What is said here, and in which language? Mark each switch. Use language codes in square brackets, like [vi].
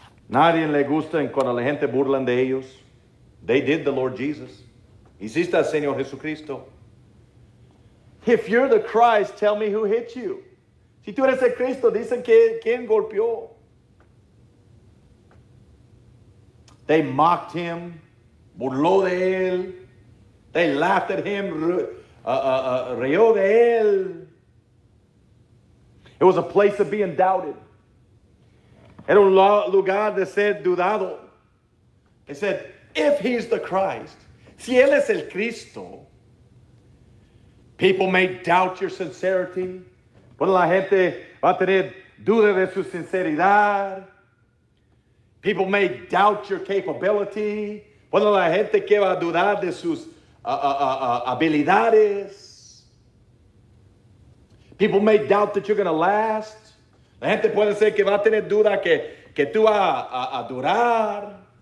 [es] Nadie le gusta cuando la gente burlan de ellos. [en] They did the Lord Jesus. [es] Hiciste al Señor Jesucristo. [en] If you're the Christ, tell me who hit you. [es] Si tú eres el Cristo, dicen que quién golpeó. [en] They mocked him, [es] burló de él. [en] They laughed at him, [es] rió de él. [en] It was a place of being doubted. [es] Era un lugar de ser dudado. [en] They said, if he's the Christ, [es] si él es el Cristo, [en] people may doubt your sincerity. [es] Bueno, la gente va a tener duda de su sinceridad. [en] People may doubt your capability. [es] Bueno, la gente que va a dudar de sus habilidades. [en] People may doubt that you're going to last. [es] La gente puede ser que va a tener duda que tú vas a durar.